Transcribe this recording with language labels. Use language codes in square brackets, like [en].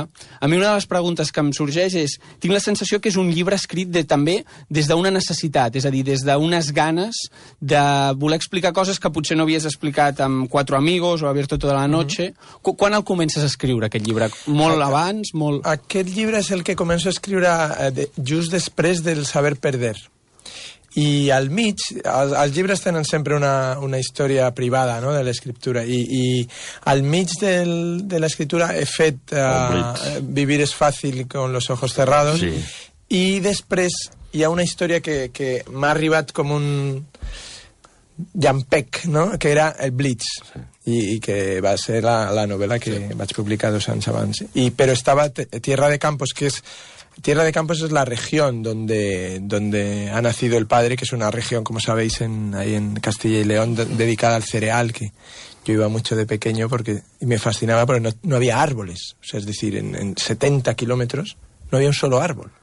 [ca] A mi una de les preguntes que em sorgeix és... Tinc la sensació que és un llibre escrit també des d'una necessitat, és a dir, des d'unes ganes de voler explicar coses que potser no havies explicat amb Cuatro Amigos o Abierto Toda la Noche. Mm-hmm. Quan el comences a escriure, aquest llibre? Molt abans? Molt... Aquest llibre és el que començo a escriure just després del Saber Perder. I al mig, els llibres tenen sempre una història privada, no?, de l'escriptura. I al mig de l'escriptura he fet Vivir es fácil con los ojos cerrados. Sí. I després hi ha una història que m'ha arribat com un... Jan Peck, no? Que era el Blitz. Sí. I que va ser la novel·la que sí. vaig publicar 2 anys abans. Però estava Tierra de Campos, que és... [es] Tierra de Campos es la región donde ha nacido el padre, que es una región, como sabéis, ahí en Castilla y León, dedicada al cereal, que yo iba mucho de pequeño porque me fascinaba, porque no había árboles. O sea, es decir, en 70 kilómetros no había un solo árbol.